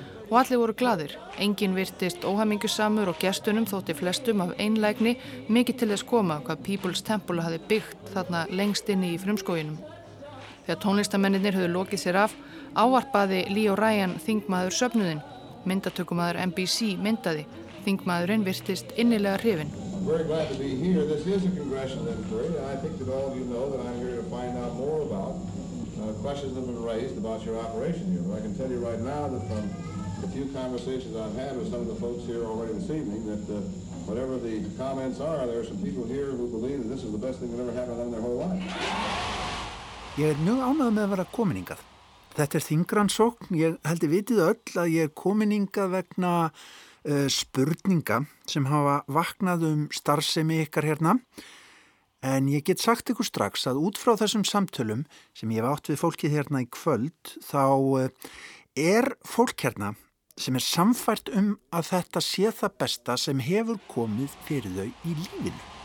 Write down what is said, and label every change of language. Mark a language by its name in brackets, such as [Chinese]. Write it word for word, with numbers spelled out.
[Icelandic] Og allir voru glaðir, enginn virtist óhamingjusamur og gestunum þótti flestum af einlægni mikið til þess koma hvað People's Temple hafði byggt þarna lengst inn í frumskóginum. Þegar tónlistamennirnir höfðu lokið sér af, ávarpaði Leo Ryan þingmaður söfnuðinn, myndatökumaður N B C myndaði, þingmaðurinn virtist innilega hrifinn. [English] Very glad to be here. This is a congressional inquiry, and I think that all of you know that I'm here to find out more about uh, questions that have been raised about your operation here. But I can tell you right now that from the few conversations I've had with some of the folks here already this evening, that uh, whatever the comments are, there are some people here who believe that this is the best thing that ever happened in their whole life. [Icelandic] Ég er mjög ánægð með að vera kominingað. Þetta er þingransókn. Ég held ég vitið öll að ég er kominingað vegna spurninga sem hafa vaknað um starfsemi ykkar hérna, en ég get sagt ykkur strax að út frá þessum samtölum sem ég hef átt við fólkið hérna í kvöld, þá er fólk hérna sem er samfært um að þetta sé það besta sem hefur komið fyrir þau í lífinu.